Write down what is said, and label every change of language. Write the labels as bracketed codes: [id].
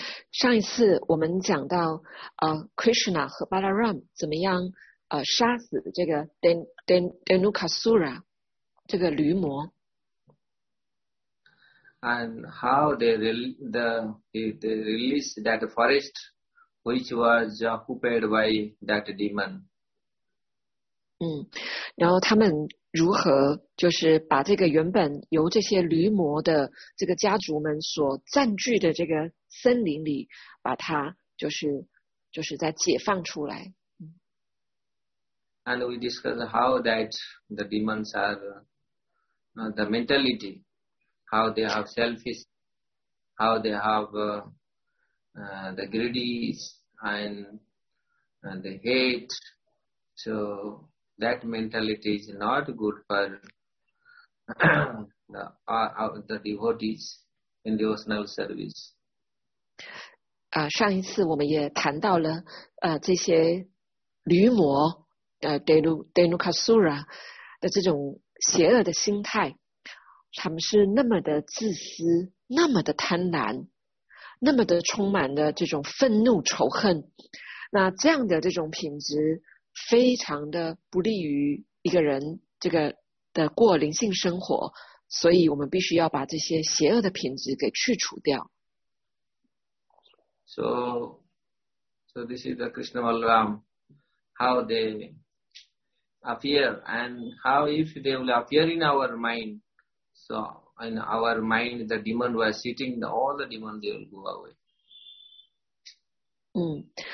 [zh] 上一次我们讲到Krishna 和 Balaram 怎么样杀死这个 Hiranyakasura 这个驴魔。 [en] And how they released that forest which was occupied by that demon. [zh] 然后他们如何就是把这个原本由这些驴魔的这个家族们所占据的这个森林里把它就是再解放出来。 [en] And we discuss how that the demons are the mentality, how they have selfish, how they have the greedy and the hate. So,That mentality is not good for the devotees in devotional service. [zh] 上一次我们也谈到了这些驴魔Hiranyakasura的这种邪恶的心态，他们是那么的自私，那么的贪婪，那么的充满的这种愤怒仇恨，那这样的这种品质非常的不利于一个人这个的过灵性生活，所以我们必须要把这些邪恶的品质给去除掉。 [en] So this is the Krishna Balaram, how they appear and how if they will appear in our mind. So in our mind, the demon was sitting, all the demons they will go away.